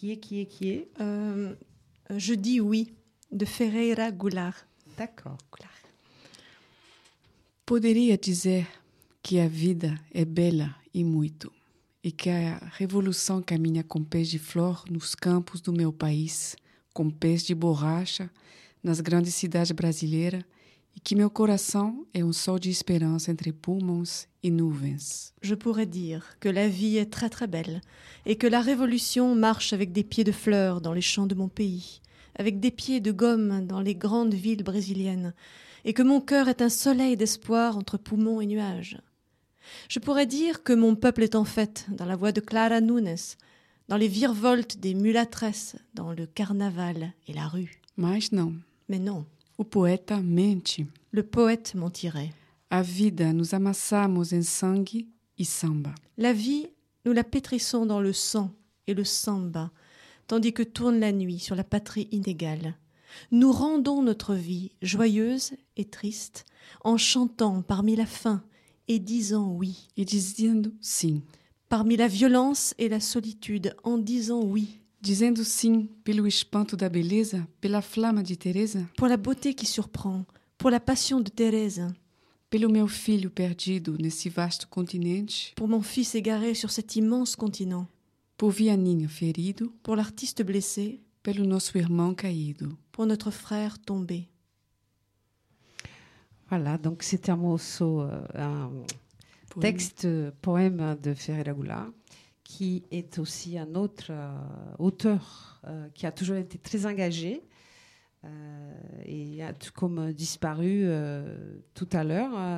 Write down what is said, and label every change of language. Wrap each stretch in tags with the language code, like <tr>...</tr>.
<fr>Je dis oui, de Ferreira Goulart. D'accord.</fr> <pt>Poderia dizer que a vida é bela e muito, e que a revolução caminha com pés de flor nos campos do meu país, com pés de borracha nas grandes cidades brasileiras, e que meu coração é sol de esperança entre pulmões e nuvens.</pt> <fr>Je pourrais dire que la vie est très très belle, et que la révolution marche avec des pieds de fleurs dans les champs de mon pays, avec des pieds de gomme dans les grandes villes brésiliennes, et que mon cœur est un soleil d'espoir entre poumons et nuages. Je pourrais dire que mon peuple est en fête dans la voix de Clara Nunes, dans les virevoltes des mulatresses, dans le carnaval et la rue.</fr> <pt>Mas</pt> <fr>non. Mais non.</fr> <pt>O poeta mente.</pt> <fr>Le poète mentirait.</fr> <pt>A vida nos amassamos em sangue e samba.</pt> <fr>La vie, nous la pétrissons dans le sang et le samba, tandis que tourne la nuit sur la patrie inégale. Nous rendons notre vie joyeuse et triste en chantant parmi la faim et disant oui. Et disant oui. Parmi la violence et la solitude en disant oui.</fr> <pt>Dizendo sim pelo espanto da beleza, pela flama de Teresa.</pt> <fr>Pour la beauté qui surprend, pour la passion de Teresa.</fr> <pt>Pelo meu filho perdido nesse vasto continente.</pt> <fr>Pour mon fils égaré sur cet immense continent. Pour Vianinho ferido. Pour l'artiste blessé.</fr> <pt>Pelo nosso irmão caído.</pt> <fr>Pour notre frère tombé. Voilà, donc c'était un morceau, un texte, poème de Ferreira Goulart, qui est aussi un autre auteur qui a toujours été très engagé et a tout comme disparu tout à l'heure.</fr>